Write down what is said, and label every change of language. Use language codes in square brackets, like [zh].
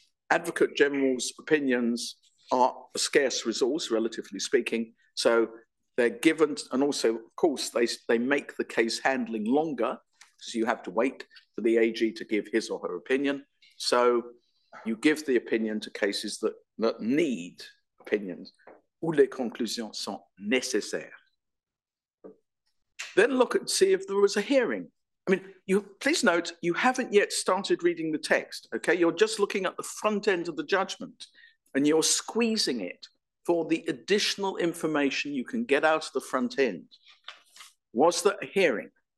[en] Advocate General's opinions are a scarce resource, relatively speaking, so they're given, and also, of course, they make the case handling longer, so you have to wait for the AG to give his or her opinion. So you give the opinion to cases that need opinions. [fr] Où les conclusions sont nécessaires. [en] Then look at see if there was a hearing. I mean, please note, you haven't yet started reading the text, okay? You're just looking at the front end of the judgment, and you're squeezing it for the additional information you can get out of the front end. Was there a hearing?